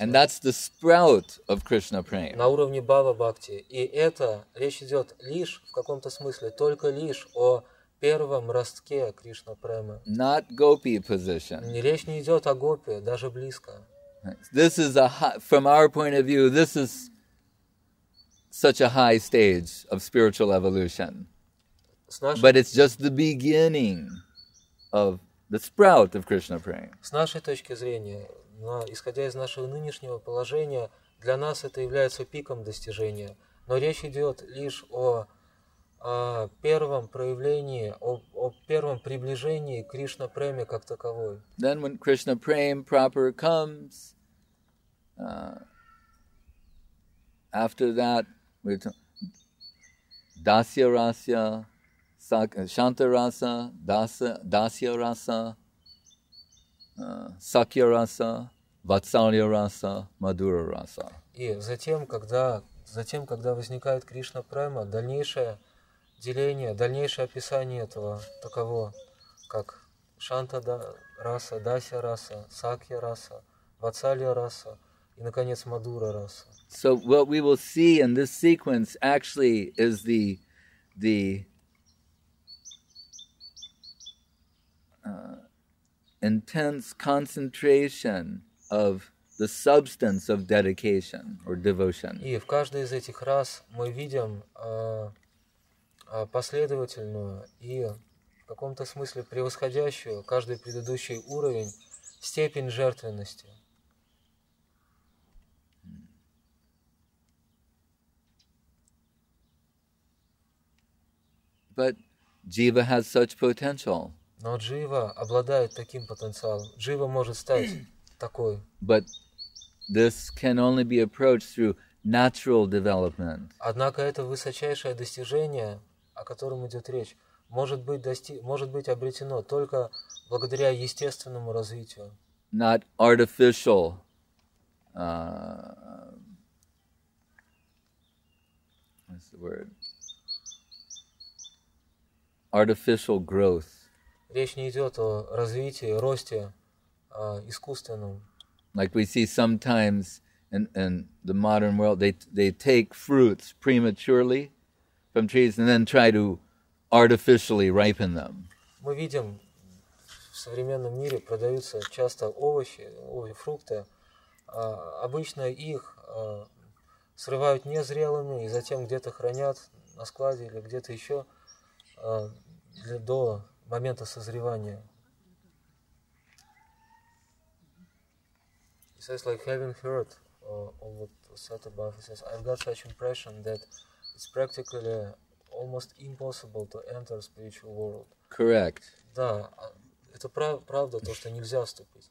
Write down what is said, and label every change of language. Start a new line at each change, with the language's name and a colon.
English: And that's the sprout of Krishna prema.
Russian: На уровне Бхава Бхакти. И это речь идет лишь в каком-то смысле, только лишь о первом ростке Кришна Премы.
English: Not gopi position.
Russian: Речь не идет о гопи, даже близко.
English: This is a high, from our point of view, this is such a high stage of spiritual evolution. But it's just the beginning of the sprout of Krishna praying.
Russian: С нашей точки зрения, но исходя из нашего нынешнего положения, для нас это является пиком достижения. Но речь идет лишь о первом проявлении, о первом приближении к Кришна преме как таковой.
English: Then when Krishna praying proper comes, after that, we're talking Dasya Rasya, Shanta Rasa, Dasya Rasa, Sakya Rasa, Vatsalya Rasa, Madhura Rasa.
Russian: И затем, когда возникает Кришна Према, дальнейшее деление, дальнейшее описание этого таково, как Шанта Раса, Дасья Раса, Сакья Раса, Ватсалья Раса и, наконец, Мадура Раса.
English: So what we will see in this sequence actually is the intense concentration of the substance of dedication or devotion.
Russian: И в каждой из этих раз мы видим последовательную и в каком-то смысле превосходящую каждый предыдущий уровень степень жертвенности.
English: But Jiva has such potential.
Russian: Но Джива обладает таким потенциалом. Джива может стать такой.
English: But this can only be approached through natural development.
Russian: Однако это высочайшее достижение, о котором идет речь, может быть обретено только благодаря естественному развитию.
English: Not artificial uh, what's the word? Artificial growth.
Russian: Речь не идет о развитии, росте, искусственном.
English: Like we see sometimes in the modern world, they take fruits prematurely from trees and then try to artificially ripen them.
Russian: Мы видим в современном мире продаются часто овощи, фрукты. Обычно их срывают незрелыми и затем где-то хранят на складе или где-то еще до момента созревания.
English: He says, like, having heard all what was said above, he says, I've got such impression that it's practically almost impossible to enter spiritual world. Correct.
Russian: Да, это правда, то, что нельзя вступить.